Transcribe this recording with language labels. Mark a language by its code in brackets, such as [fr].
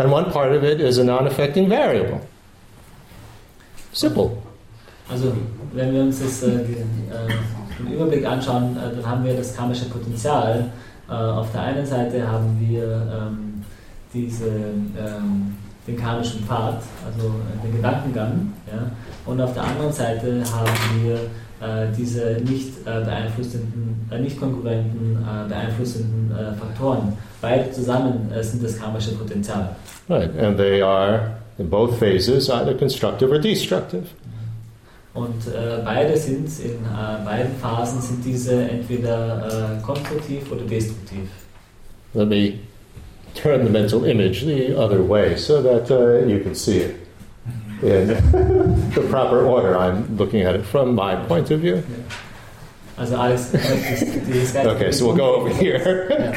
[en] And one part of it is a non-affecting variable. Simple. [de] Also, wenn wir uns das den Überblick anschauen, dann haben wir das karmische Potenzial. Auf der einen Seite haben wir den karmischen Pfad, also den Gedankengang, ja? Und auf der anderen Seite haben wir diese nicht beeinflussenden Faktoren. Beide zusammen sind das karmische Potenzial. [en] Right, and they are in both phases either constructive or destructive. [de] Und beide sind in beiden Phasen sind diese entweder konstruktiv oder destruktiv. [en] Let me turn the mental image the other way so that you can see it in the proper order. I'm looking at it from my point of view. [de] Also alles. [en] Okay, so we'll go over here.